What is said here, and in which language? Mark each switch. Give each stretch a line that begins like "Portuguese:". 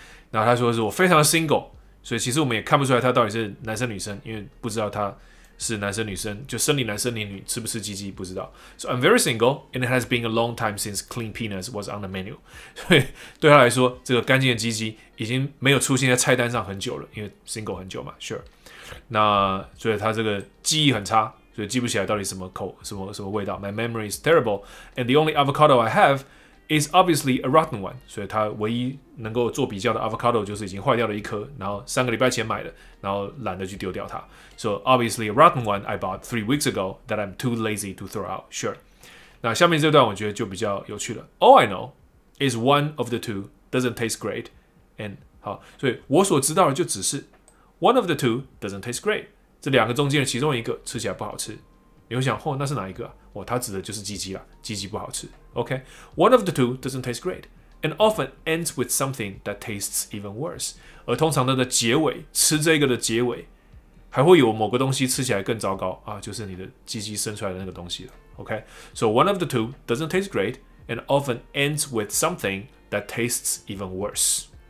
Chinese: 那他说是我非常的 single， 所以其实我们也看不出来他到底是男生女生，因为不知道他是男生女生，就生理男生理女吃不吃鸡鸡不知道。
English: So I'm very single and it has been a long time since clean penis was on the menu。
Chinese: 所以对他来说，这个干净的鸡鸡已经没有出现在菜单上很久了，因为 single 很久嘛 ，sure。那所以他这个记忆很差。所以记不起来到底什么口什么味道。
English: My memory is terrible, and the only avocado I have is obviously a rotten one.
Chinese: 所以他唯一能够做比较的 avocado 就是已经坏掉了一颗，然后三个礼拜前买的，然后懒得去丢掉它。
English: So obviously a rotten one I bought 3 weeks ago that I'm too lazy to throw out. Sure.
Chinese: 那下面这段我觉得就比较有趣了。
English: All I know is one of the two doesn't taste great. And
Chinese: 好，所以我所知道的就只是
English: one of the two doesn't taste great.
Chinese: 这两个中间的其中一个吃起来不好吃，你会想，哦，那是哪一个啊？哦，他指的就是鸡鸡啦，鸡鸡不好吃。
English: OK， one of the two doesn't taste great, and often ends with something that tastes even worse。
Chinese: 而通常它的结尾，吃这个的结尾，还会有某个东西吃起来更糟糕啊，就是你的鸡鸡生出来的那个东西了。
English: OK， so one of the two doesn't taste great, and often ends with something that tastes even worse。